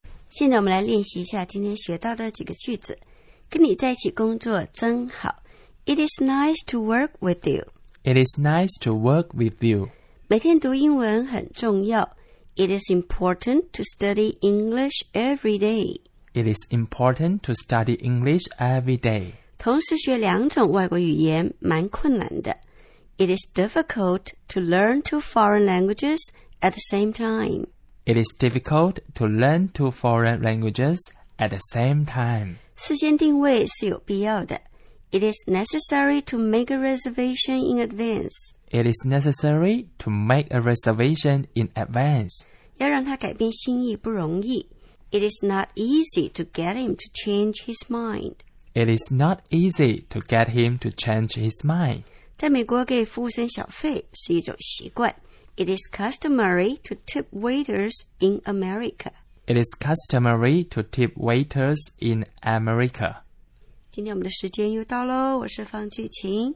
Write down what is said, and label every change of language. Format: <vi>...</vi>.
<zh>现在我们来练习一下今天学到的几个句子。跟你在一起工作真好。</zh> <en>It is nice to work with you. It is nice to work with you.</en> <zh>每天读英文很重要。</zh> <en>It is important to study English every day. It is important to study English every day.</en> <zh>同时学两种外国语言蛮困难的。</zh> <en>It is difficult to learn two foreign languages at the same time. It is difficult to learn two foreign languages at the same time.</en> <zh>事先定位是有必要的。</zh> <en>It is necessary to make a reservation in advance. It is necessary to make a reservation in advance.</en> <zh>要让他改变心意不容易。</zh> <en>It is not easy to get him to change his mind. It is not easy to get him to change his mind.</en> <zh>在美国给服务生小费是一种习惯。</zh> <en>It is customary to tip waiters in America. It is customary to tip waiters in America.</en> <zh>今天我们的时间又到咯，我是方俊晴。</zh>